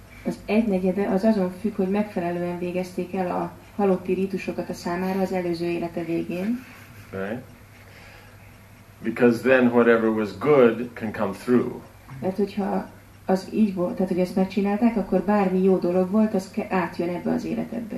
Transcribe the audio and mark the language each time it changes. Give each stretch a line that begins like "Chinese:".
Hungarian: Az egynegyede az azon függ, hogy megfelelően végezték el a halotti rítusokat a számára az előző élete végén.
English: Right. Because then whatever was good can come through.
Hungarian: Mert hogyha az így volt, tehát hogy ezt megcsinálták, akkor bármi jó dolog volt, az átjön ebbe az életedbe.